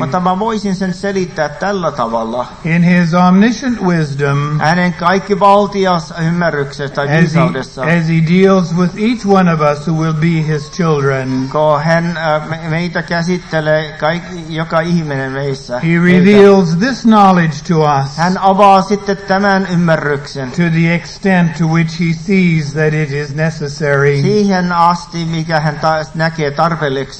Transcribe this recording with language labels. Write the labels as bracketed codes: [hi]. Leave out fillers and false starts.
[fi] Mutta mä voisin sen selittää tällä tavalla. [en] In his omniscient wisdom. [fi] Hänen kaikki valtias ymmärryksessä tai viisaudessa. [en] As he deals with each one of us who will be his children. [fi] Kun hän meitä käsittelee joka ihminen meissä. [en] He reveals this knowledge to us. [fi] Hän avaa sitten tämän ymmärryksen. [en] To the extent to which he sees that it is necessary. [fi] Siihen asti, mikä hän näkee tarpeelliseksi.